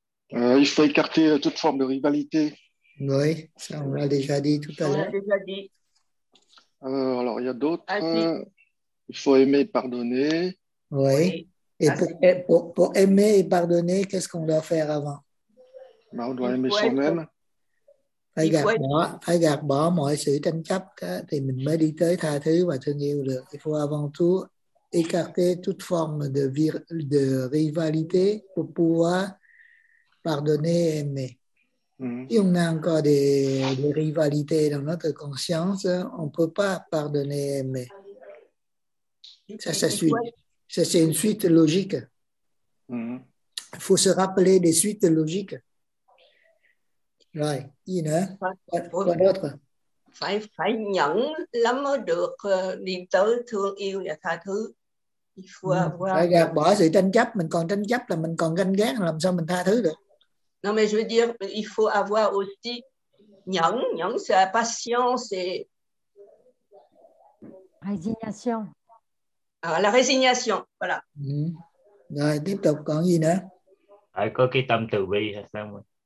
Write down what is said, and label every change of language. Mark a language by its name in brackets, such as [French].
[French] Il faut écarter toute forme de rivalité. Oui, ça on l'a déjà dit tout à l'heure. On l'a déjà dit. Alors, il y a d'autres. Il faut aimer et pardonner. Oui. Et pour aimer et pardonner, qu'est-ce qu'on doit faire avant? On doit aimer soi-même. [Vietnamese] Phải gạt bỏ mọi sự tranh chấp đó, thì mình mới đi tới tha thứ và thương yêu được. [French] Il faut avant tout écarter toute forme de rivalité pour pouvoir pardonner et aimer. Mm-hmm. Si on a encore des rivalités dans notre conscience, on ne peut pas pardonner et aimer. Ça, c'est une suite logique. Mm-hmm. Il faut se rappeler des suites logiques. [Vietnamese] Rồi, gì nữa? Còn đốt rồi. Phải nhẫn lắm mới được đi tới thương yêu và tha thứ. Phải gạt bỏ sự tranh chấp. Mình còn tranh chấp là mình còn ganh ghét. Làm sao mình tha thứ được? [French] Non, mais je veux dire, il faut avoir aussi nhẫn. Nhẫn, c'est la patience et... résignation. Alors, la résignation, voilà. [Vietnamese] Mmh. Rồi, tiếp tục, còn gì nữa? Phải có cái tâm từ bi hay sao mà?